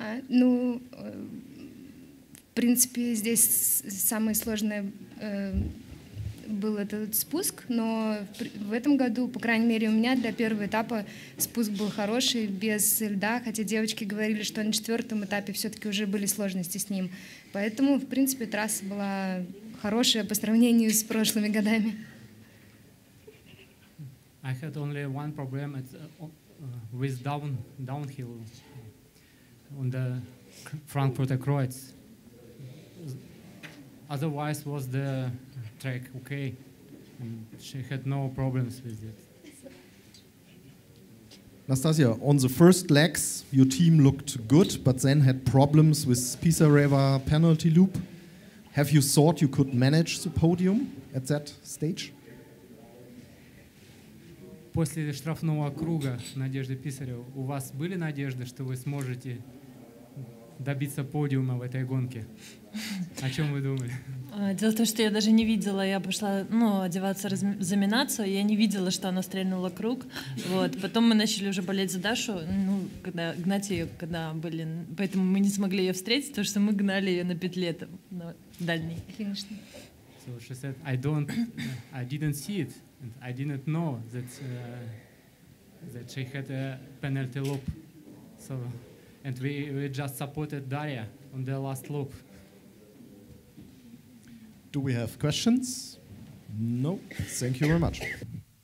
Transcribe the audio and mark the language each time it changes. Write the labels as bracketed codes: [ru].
[ru] Ну, в принципе, здесь самое сложное был этот спуск, но в этом году, по крайней мере, у меня для первого этапа спуск был хороший, без льда, хотя девочки говорили, что на четвертом этапе все-таки уже были сложности с ним. Поэтому, в принципе, трасса была хорошая по сравнению с прошлыми годами. [en] I had only one problem with downhill on the Frankfurter Kreuz. Otherwise, was the track okay? And she had no problems with it. Nastasia, on the first legs, your team looked good, but then had problems with Pisareva penalty loop. Have you thought you could manage the podium at that stage? [ru] После штрафного круга Надежды Писарев, у вас были надежды, что вы сможете добиться подиума в этой гонке? О чем вы думали? Дело в том, что я даже не видела, я пошла, ну, одеваться, разминаться, я не видела, что она стрельнула круг. Вот. Потом мы начали уже болеть за Дашу, ну, когда гнать ее, когда были, поэтому мы не смогли ее встретить, потому что мы гнали ее на петле там, на дальней. Конечно. [en] So she said, I didn't see it. I didn't know that that she had a penalty loop. So, and we just supported Daria on the last loop. Do we have questions? No. Thank you very much.